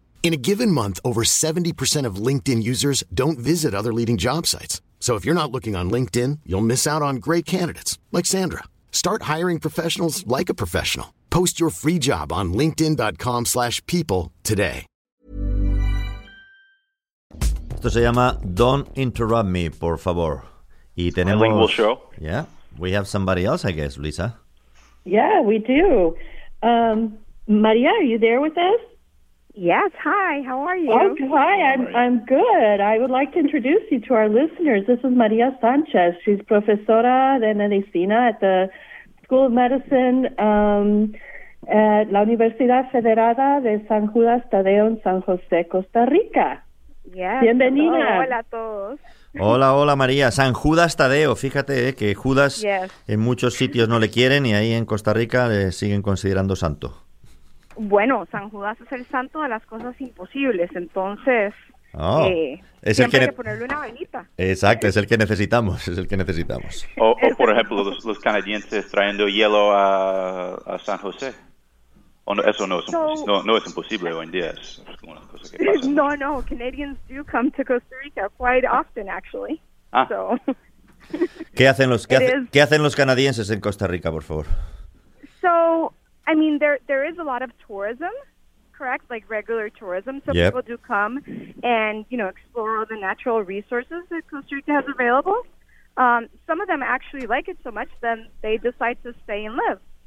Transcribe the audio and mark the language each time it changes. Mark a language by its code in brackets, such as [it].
[en] In a given month, over 70% of LinkedIn users don't visit other leading job sites. So if you're not looking on LinkedIn, you'll miss out on great candidates, like Sandra. Start hiring professionals like a professional. Post your free job on linkedin.com/people today. [es] Esto se llama Don't Interrupt Me, por favor. Y tenemos... [en] Bilingual show. Yeah, we have somebody else, I guess, Lisa. Yeah, we do. Maria, are you there with us? Yes, hi, how are you? Oh, hi, I'm good. I would like to introduce you to our listeners. This is Maria Sanchez. She's [es] profesora de medicina [en] at the School of Medicine at La Universidad Federada de San Judas Tadeo en San José, Costa Rica. Yes. [es] Bienvenida. Hola a todos. Hola, hola María. San Judas Tadeo. Fíjate que Judas en muchos sitios no le quieren y ahí en Costa Rica le siguen considerando santo. Bueno, San Judas es el santo de las cosas imposibles, entonces Es el que hay que ponerle una velita. Exacto, es el que necesitamos, es el que necesitamos. O por ejemplo, los canadienses trayendo hielo a San José. Eso no es imposible hoy en día. Es una cosa que pasa. [en] Canadians do come to Costa Rica quite often, actually. [es] ¿Qué hacen los canadienses en Costa Rica, por favor? [en] So, I mean, there is a lot of tourism, correct? Like regular tourism. So yep. People do come and, you know, explore all the natural resources that Costa Rica has available. Some of them actually like it so much, then they decide to stay and live.